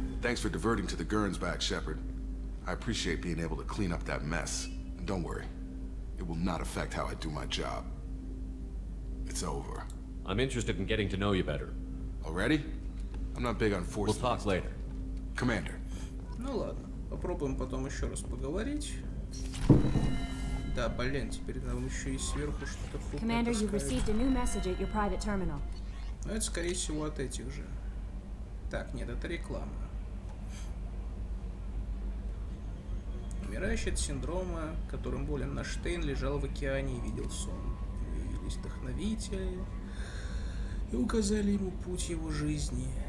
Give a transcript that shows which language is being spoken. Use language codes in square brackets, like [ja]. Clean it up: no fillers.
[en] Thanks for diverting to the Gurns back, Shepard. I appreciate being able to clean up that mess. And don't worry. It will not affect how I do my job. It's over. I'm interested in getting to know you better. Already? I'm not big on force. We'll talk later. Commander. [ru] Ну ладно. Попробуем потом еще раз поговорить. Да, блин, теперь нам еще и сверху что-то хуже. [en] Commander, you've received a new message at your private terminal. [ru] Ну, это скорее всего от этих же. Так, нет, это реклама. Умирающий от синдрома, которым болен наш Штейн, лежал в океане и видел сон. Вдохновители и указали ему путь его жизни.